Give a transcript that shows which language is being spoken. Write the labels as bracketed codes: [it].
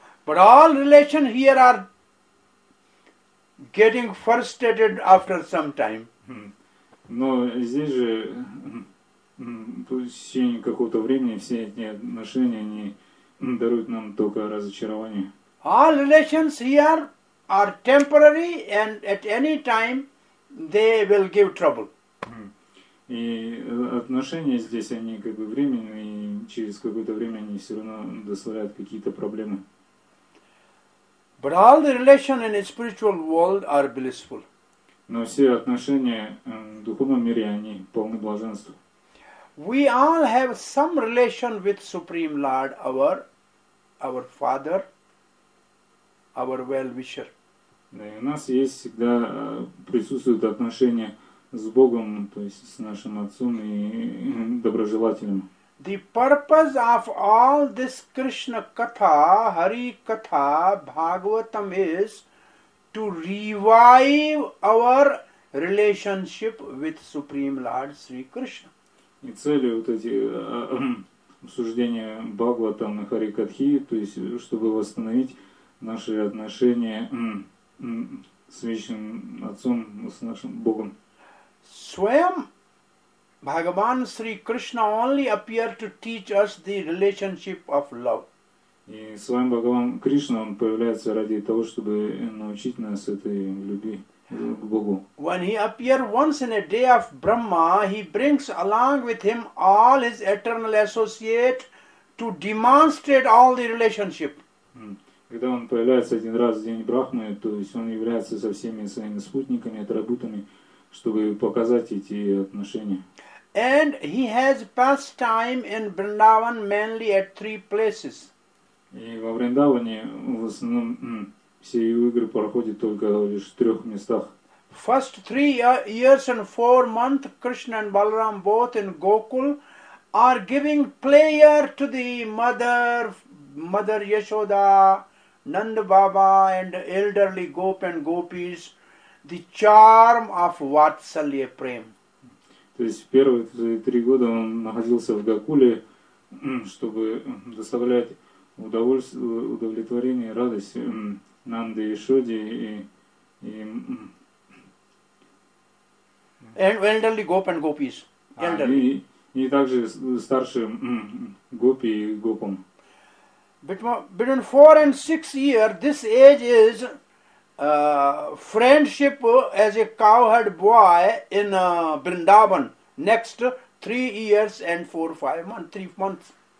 [en] But all relations here are getting frustrated after some time. [ru] Но здесь же, по течению какого-то времени, все эти отношения, они даруют нам только разочарование. [en] All relations here are temporary, and at any time they will give trouble. [ru] И отношения здесь они как бы временные, и через какое-то время они все равно доставляют какие-то проблемы. [en] But all the relations in a spiritual world are blissful. [ru] Но все отношения в духовном мире, они полны блаженства. [en] We all have some relation with Supreme Lord, our Father, our Well-Wisher. [ru] Да, у нас есть всегда присутствуют отношения с Богом, то есть с нашим Отцом и доброжелателем. [en] The purpose of all this Krishna Katha, Hari Katha, Bhagavatam is to revive our relationship with Supreme Lord Sri Krishna. [ru] И цели вот эти обсуждения Бхагаватам и Хари Катхи, то есть чтобы восстановить наши отношения с вечным Отцом, с нашим Богом. [en] Swayam Bhagavan Sri Krishna only appear to teach us the relationship of love. [ru] И Swayam Bhagavan Krishna, он появляется ради того, чтобы научить нас этой любви к Богу. [en] When he appear once in a day of Brahma, he brings along with him all his eternal associate to demonstrate all the relationship. [ru] Когда он появляется один раз в день Брахмы, то есть он является со всеми своими спутниками, атрибутами, чтобы показать эти отношения. [en] And he has passed time in Vrindavan mainly at three places. [ru] И во Вриндаване в основном все его игры проходят только лишь в трех местах. [en] First 3 years and 4 months, Krishna and Balaram both in Gokul are giving pleasure to the mother Yashoda, Nanda Baba and elderly Gop and Gopis, the charm of Vatsalya Prem. [ru] То есть первые 3 года он находился в Гокуле, чтобы доставлять удовлетворение, радость Нанде и Шоде и [en] elderly Gop and Gopis. [ru] И также старшим Гопи и Гопам. [en] Between 4 and 6 years, this age is friendship as a cowherd boy in Vrindavan. Next 3 years and 4-5 months, 3 months.